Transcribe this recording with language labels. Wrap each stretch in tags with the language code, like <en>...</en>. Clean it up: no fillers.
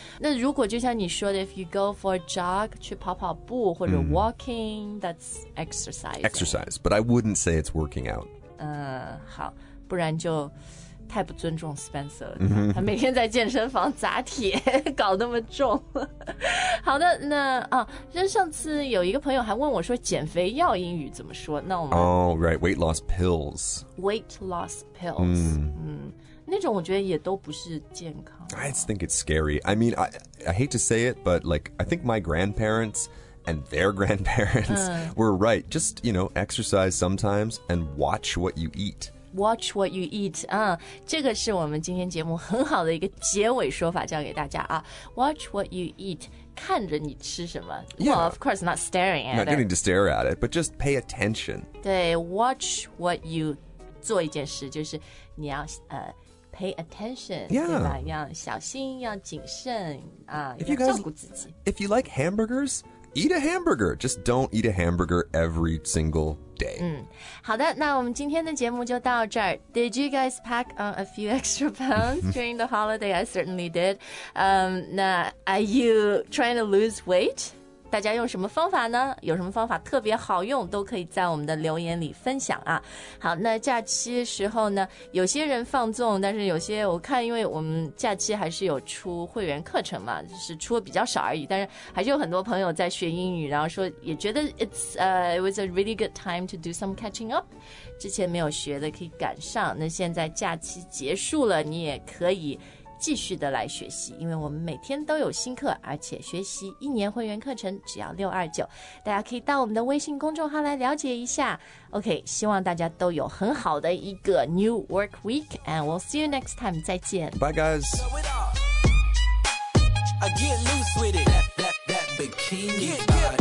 <zh>那如果就像你说的 ，</zh> <en>if you go for a jog,</en> <zh>去跑跑步或者 walking,、mm.</zh> <en>that's exercise. Exercise, but I wouldn't say it's working out.</en> <zh>好，不然就太不尊重 Spencer 了。 Mm-hmm. 他每天在健身房砸铁，搞那么重。好的，那啊，那上次有一个朋友还问我说，减肥药英语怎么说？那我们</zh> <en>Oh, right, weight loss pills. Weight loss pills. Mm.</en> <zh>那种我觉得也都不是健康。</zh> <en>I just think it's scary. I mean, I hate to say it, but like, I think my grandparents and their grandparents、mm. were right. Just, you know, exercise sometimes and watch what you eat. Watch what you eat.</en> <zh>这个是我们今天节目很好的一个结尾说法教给大家啊。</zh> <en>Watch what you eat.</en> <zh>看着你吃什么。</zh> <en>Yeah. Well, of course, not staring at not it. Not getting to stare at it, but just pay attention.</en> <zh>对 ,</zh> <en>watch what you</en> <zh>做一件事就是你要</zh> <en>pay attention. Yeah.</en> <zh>对吧要小心要谨慎要照顾自己。</zh> <en>If you like hamburgers, eat a hamburger. Just don't eat a hamburger every single day.</en> <zh>好的那我们今天的节目就到这儿</zh> <en>Did you guys pack on a few extra pounds during the holiday? I certainly did.</en> <zh>那</zh> <en>are you trying to lose weight?</en> <zh>大家用什么方法呢有什么方法特别好用都可以在我们的留言里分享啊。好那假期时候呢有些人放纵但是有些我看因为我们假期还是有出会员课程嘛就是出的比较少而已但是还是有很多朋友在学英语然后说也觉得</zh> <en>it was a really good time to do some catching up.</en> <zh>之前没有学的可以赶上那现在假期结束了你也可以继续的来学习因为我们每天都有新课而且学习一年会员课程只要629大家可以到我们的微信公众号来了解一下 OK 希望大家都有很好的一个 New Work Week</zh> <en>And we'll see you next time</en> <zh>再见</zh> <en>Bye guys I get loose with it that big king.</en>